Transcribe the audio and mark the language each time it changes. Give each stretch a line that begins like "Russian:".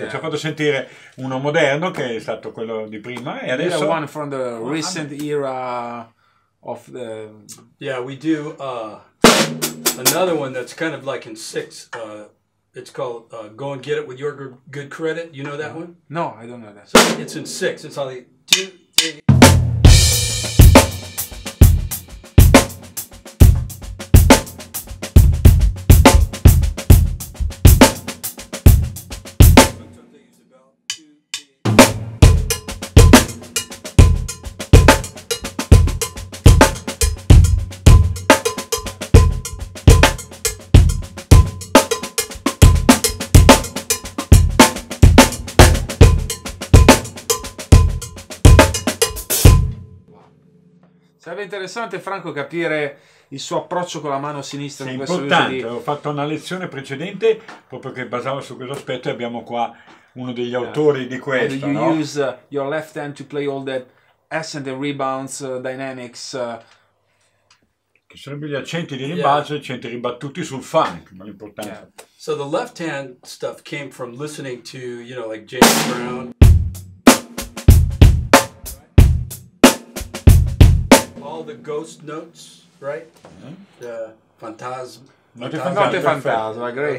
English: Yeah.
Italian: Ci ha fatto sentire uno moderno che è stato quello di prima e adesso
English: one from the recent era of the Yeah, we do another one that's kind of like in six it's called Go and Get It with Your Good Credit. You know that one? No, I don't know that. So it's in six. It's only two.
Italian: Sarebbe interessante, Franco, capire il suo approccio con la mano sinistra. È importante, ho fatto una lezione precedente proprio che basava su questo aspetto e abbiamo qua uno degli autori di questo.
English: You
Italian: no?
English: Use your left hand to play all that ascent and rebounds dynamics.
Italian: Che sarebbero gli accenti di rimbalzo e accenti ribattuti sul funk, ma l'importante.
English: Yeah. So the left hand stuff came from listening to, you know, like James Brown. The ghost notes, right? The fantasma.
Italian: Note fantasma,
English: great.